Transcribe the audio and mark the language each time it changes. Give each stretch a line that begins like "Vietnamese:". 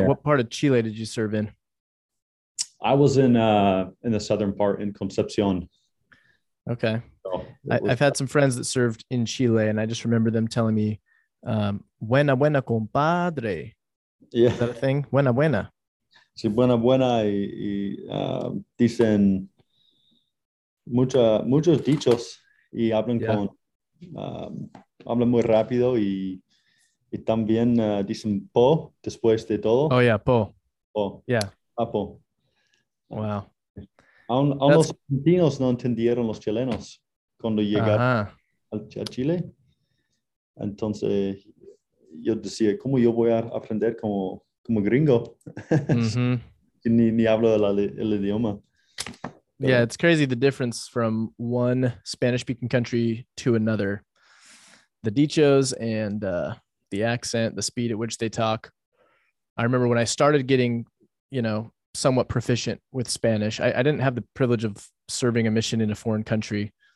English: What part of Chile did you serve in? I was in the southern part in Concepcion. Okay. So I've had some friends that served in Chile, and I just remember them telling me,
Spanish: buena, buena, compadre.
English: Yeah. Is that a thing?
Spanish: Buena, buena. Sí, buena, buena. Y dicen muchos dichos y hablan con, hablan muy rápido y y también dicen po después de todo.
English: Oh, yeah, po. Po. Yeah. Ah, po. Wow.
Spanish: Aún los argentinos no entendieron los chilenos cuando llegaron a Chile. Entonces, yo decía, ¿cómo yo voy a aprender como gringo? Mm-hmm. ni hablo el idioma.
English: Pero, yeah, it's crazy the difference from one Spanish-speaking country to another. The dichos and the accent, the speed at which they talk. I remember when I started getting, you know, somewhat proficient with Spanish, I didn't have the privilege of serving a mission in a foreign country.